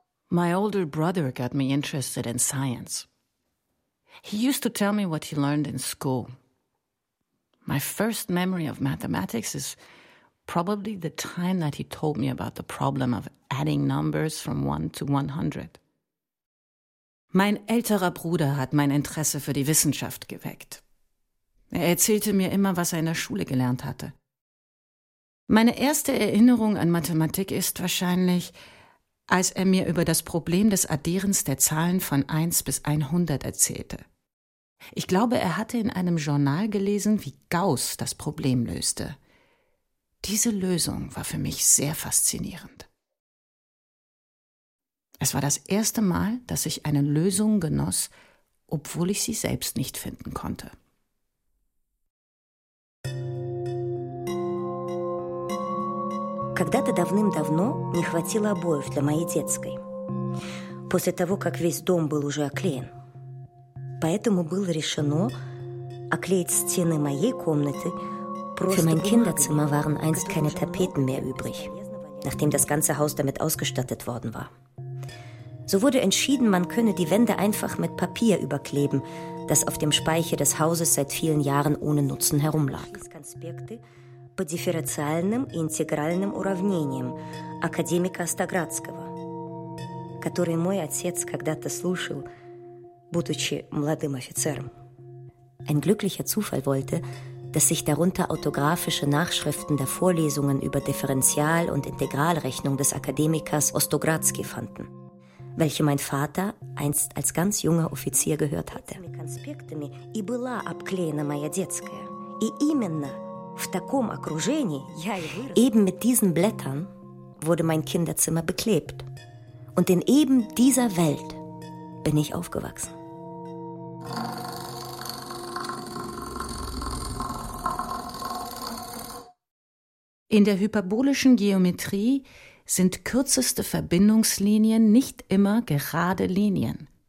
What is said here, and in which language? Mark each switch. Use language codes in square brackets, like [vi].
[en] My older brother got me interested in science. He used to tell me what he learned in school. My first memory of mathematics is probably the time that he told me about the problem of adding numbers from 1 to 100. [de] Mein älterer Bruder hat mein Interesse für die Wissenschaft geweckt. Er erzählte mir immer, was er in der Schule gelernt hatte. Meine erste Erinnerung an Mathematik ist wahrscheinlich, als er mir über das Problem des Addierens der Zahlen von 1 bis 100 erzählte. Ich glaube, er hatte in einem Journal gelesen, wie Gauss das Problem löste. Diese Lösung war für mich sehr faszinierend. Es war das erste Mal, dass ich eine Lösung genoss, obwohl ich sie selbst nicht finden konnte. [ru] Когда-то давным-давно не хватило обоев для моей детской. После того, как весь дом был уже оклеен. Поэтому было решено оклеить стены моей комнаты. [de] Für mein Kinderzimmer waren einst keine Tapeten mehr übrig, nachdem das ganze Haus damit ausgestattet worden war. So wurde entschieden, man könne die Wände einfach mit Papier überkleben, das auf dem Speicher des Hauses seit vielen Jahren ohne Nutzen herumlag. [ru] По дифференциальным и интегральным уравнениям академика Остоградского, который мой отец когда-то слушал, будучи молодым офицером. [de] Ein glücklicher Zufall wollte, dass sich darunter autographische Nachschriften der Vorlesungen über Differential- und Integralrechnung des Akademikers Ostogradski fanden, welche mein Vater einst als ganz junger Offizier gehört hatte. Mit Konspektami [ru] и была обклеена моя детская, и именно в таком окружении я и вырос. [de] Eben mit diesen Blättern wurde mein Kinderzimmer beklebt. Und in eben dieser Welt bin ich aufgewachsen. In der hyperbolischen Geometrie sind kürzeste Verbindungslinien nicht immer gerade Linien.